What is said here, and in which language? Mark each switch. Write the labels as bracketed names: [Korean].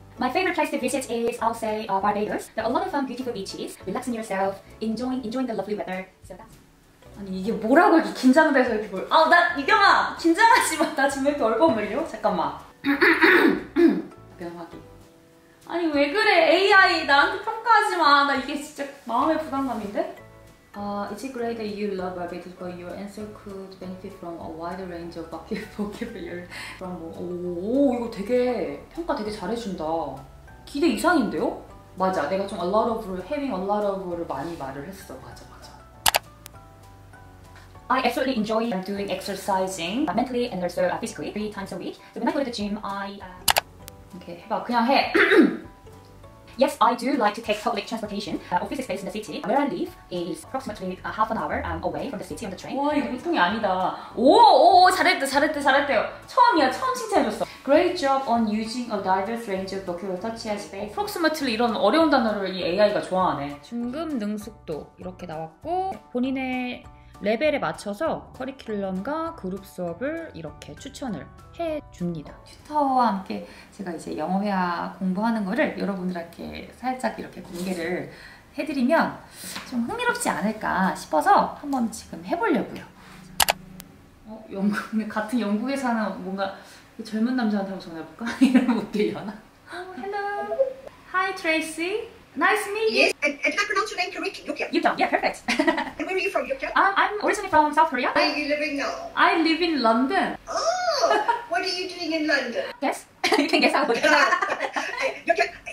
[English] My favorite place to visit is, I'll say, Barbados. There are a lot of beautiful beaches. Relaxing yourself, enjoying the lovely weather. So that's... [Korean] 아니 이게 뭐라고 이렇게 긴장돼서 이렇게 뭘... 아, 나 이경아! 긴장하지 마! 나 지금 왜 이렇게 얼버무려? 잠깐만. 변하기. 아니 왜 그래? AI 나한테 평가하지 마! 나 이게 진짜 마음의 부담감인데? [English] It's great that you love Barbados, but your answer could benefit from a wide range of vocabulary. [Korean] 그럼 뭐, 오, 이거 되게 평가 되게 잘해준다. 기대 이상인데요? 맞아, 내가 좀 [English] a lot of, having a lot of [Korean] 를 많이 말을 했어. 맞아, 맞아. [English] I absolutely enjoy doing exercising mentally and also physically three times a week. So when I go to the gym, I... [Korean] 오케이, 해봐, 그냥 해. [English] Yes, I do like to take public transportation. Office is based in the city. Where I live is approximately half an hour away from the city on the train. [Korean] 와, 이거 보통이 아니다. 오, 오, 잘했다, 잘했다, 잘했대요. 처음이야, 처음 칭찬해줬어. [English] Great job on using a diverse range of vocabulary such as approximately, [Korean] 이런 어려운 단어를 이 AI가 좋아하네. 중급 능숙도 이렇게 나왔고 본인의 레벨에 맞춰서 커리큘럼과 그룹 수업을 이렇게 추천을 해줍니다. 튜터와 함께 제가 이제 영어 회화 공부하는 거를 여러분들한테 살짝 이렇게 공개를 해드리면 좀 흥미롭지 않을까 싶어서 한번 지금 해보려고요. 영국, 같은 영국에 사는 뭔가 젊은 남자한테 한번 전화해볼까? 이런 분들이 하나? [English] Hello! Hi, Tracy! Nice to meet you. Yes, and did I pronounce your name correctly? Yukyeon. Yukyeon, yeah, perfect. And where are you from, Yukyeon? I'm originally from South Korea. Where are you living now? I live in London. Oh, what are you doing in London? Yes, you can guess how. Yukyeon,